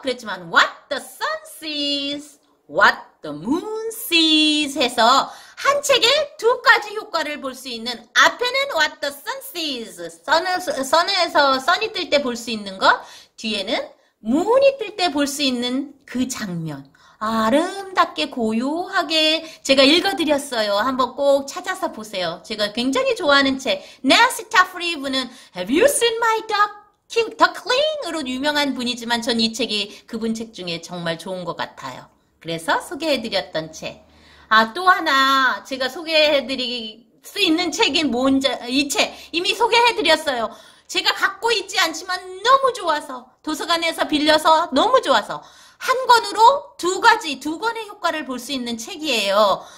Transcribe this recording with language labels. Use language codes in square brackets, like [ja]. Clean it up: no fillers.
[ko] 그렇지만 What the Sun Sees, What the Moon Sees 해서 한 책에 두 가지 효과를 볼수 있는 앞에는 What the Sun Sees, Sun에서 Sun이 뜰때볼수 있는 거, 뒤에는 Moon이 뜰때볼수 있는 그 장면. 아름답게 고요하게 제가 읽어드렸어요. 한번 꼭 찾아서 보세요. 제가 굉장히 좋아하는 책. [en] 네시 타프리브는 Have you seen my duck? [ko] King, Duckling으로 유명한 분이지만 전이 책이 그분 책 중에 정말 좋은 것 같아요. 그래서 소개해드렸던 책. 아, 또 하나 제가 소개해드릴 수 있는 책이 뭔지, 이책 이미 소개해드렸어요. 제가 갖고 있지 않지만 너무 좋아서 도서관에서 빌려서 너무 좋아서 한 권으로 두 가지, 두 권의 효과를 볼수 있는 책이에요.